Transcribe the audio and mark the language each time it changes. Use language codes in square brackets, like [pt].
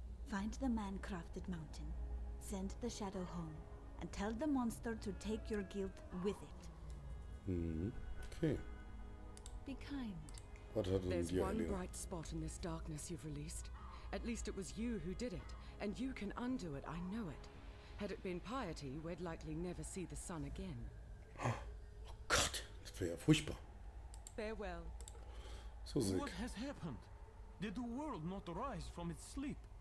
[en] Find the man-crafted mountain, send the shadow home, and tell the monster to take your guilt with it. Okay. Be kind. What hat There's die one bright spot in this darkness you've released. At least it was you who did it, and you can undo it, I know it. Had it been piety, we'd likely never see the sun again. [de] Oh Gott, das wäre ja furchtbar. [en] Farewell. So sick. What has happened? Did the world not rise from its sleep?